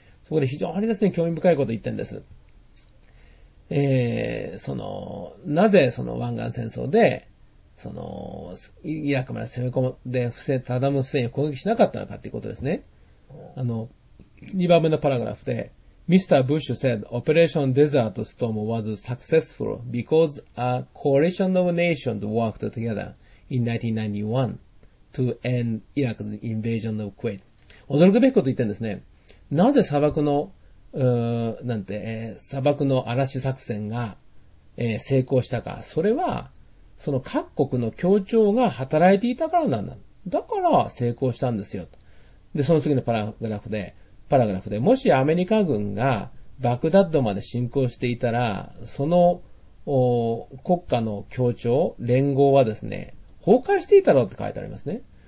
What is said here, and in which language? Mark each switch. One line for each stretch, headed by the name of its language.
Japanese: そこで非常にですね、興味深いことを言ってんです。その、なぜその湾岸戦争で、その、イラクまで攻め込んで、サダム・フセインを攻撃しなかったのかっていうことですね。 2番目のパラグラフで、Mr.
English: Bush said Operation Desert Storm was successful because a coalition of nations worked together in 1991 to end Iraq's invasion of Kuwait.
Japanese: 驚くべきことを言ってんですね。なぜ砂漠の、砂漠の嵐作戦が、成功したか。それは、その各国の協調が働いていたからなんだ。だから成功したんですよ。で、その次のパラグラフで、もしアメリカ軍がバグダッドまで侵攻していたら、その国家の協調、連合はですね、崩壊していたろうって書いてありますね。